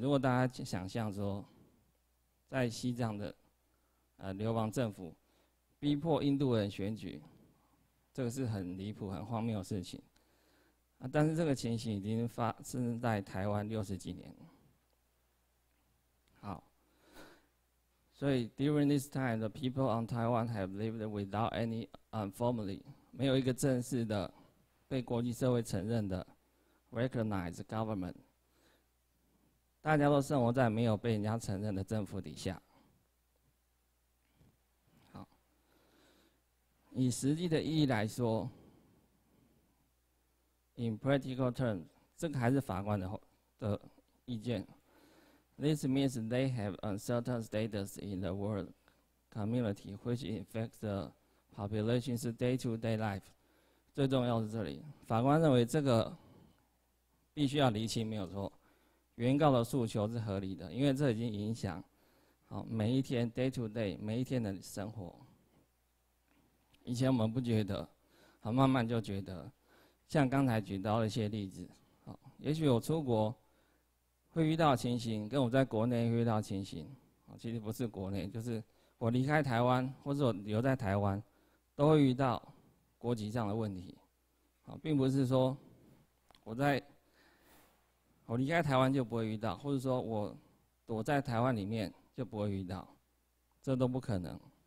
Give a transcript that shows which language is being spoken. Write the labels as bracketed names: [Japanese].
[Chinese] 如果大家想象说，在西藏的流亡政府逼迫印度人选举，这个是很离谱、很荒谬的事情啊。但是这个情形已经发生在台湾六十几年。好，所以 [English] during this time, the people on Taiwan have lived without any formally [Chinese] 没有一个正式的被国际社会承认的 [English] recognized government。 [Chinese] 大家都生活在没有被人家承认的政府底下。好，以实际的意义来说 ， [English] in practical terms， [Chinese] 这个还是法官的意见。 [English] This means they have uncertain status in the world community, which affects the population's day-to-day life。 [Chinese] 最重要是这里，法官认为这个必须要厘清，没有错。原告的诉求是合理的，因为这已经影响好每一天 [English] day to day [Chinese] 每一天的生活。以前我们不觉得，好慢慢就觉得，像刚才举到的一些例子，好，也许我出国会遇到情形，跟我在国内会遇到情形，其实不是国内，就是我离开台湾或者我留在台湾，都会遇到国籍上的问题，好，并不是说我离开台湾就不会遇到，或者说我躲在台湾里面就不会遇到，这都不可能。